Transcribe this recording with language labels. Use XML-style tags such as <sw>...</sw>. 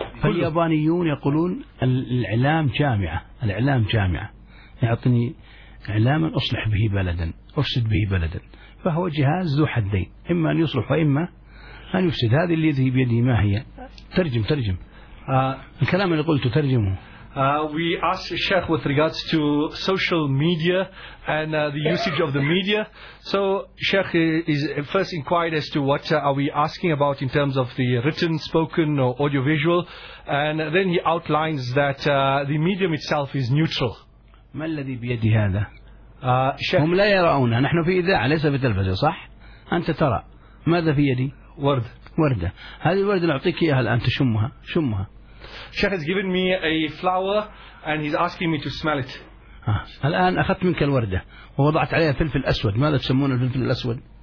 <ar>فاليابانيون يقولون الإعلام جامعة, الإعلام جامعة, يعطني إعلاما أصلح به بلدا أفسد به بلدا, فهو جهاز ذو حدين, إما أن يصلح وإما أن يفسد. هذه الذي بيده ما هي؟ ترجم الكلام اللي قلته ترجمه.</ar> <en>We asked Sheikh with regards to social media and the usage of the media. So Sheikh is first inquired as to what are we asking about in terms of the written, spoken or audiovisual, and then he outlines that the medium itself is neutral.</en> <ar>ما الذي بيد هذا؟ هم لا يرونه, نحن في إذاعة ليس في تلفزيون, صح؟ أنت ترى, ماذا في يدي؟ ورد. وردة. هذه الوردة نعطيك إياها الآن تشمها. شمها.</ar> <en>Sheikh has given me a flower and he's asking me to smell it.</en> <ar>الآن أخذت منك الوردة ووضعت عليها فلفل أسود. ماذا تسمون الفلفل الأسود؟</ar>